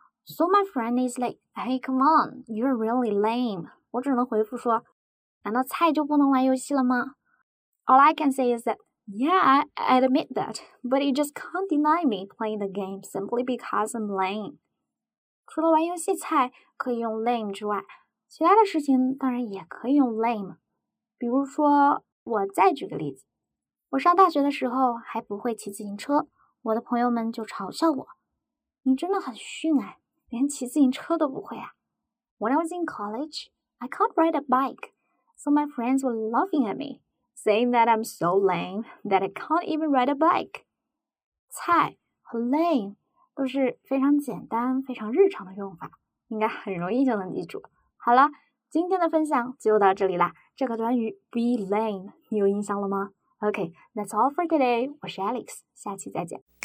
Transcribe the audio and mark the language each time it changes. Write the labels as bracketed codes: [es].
[en] So my friend is like, hey, come on, you're really lame. [zh] 我只能回复说，难道菜就不能玩游戏了吗？ [en] All I can say is that, yeah, I admit that, but you just can't deny me playing the game simply because I'm lame. [zh] 除了玩游戏菜可以用 lame 之外，其他的事情当然也可以用 lame。比如说，我再举个例子，我上大学的时候还不会骑自行车，我的朋友们就嘲笑我：“你真的很逊哎，连骑自行车都不会啊。” [en] When I was in college, I can't ride a bike, so my friends were laughing at me. Saying that I'm so lame that I can't even ride a bike. [zh] 菜和 lame 都是非常简单、非常日常的用法，应该很容易就能记住。好了，今天的分享就到这里啦。这个短语 be lame 你有印象了吗？ OK, that's all for today. 我是 Alex, 下期再见。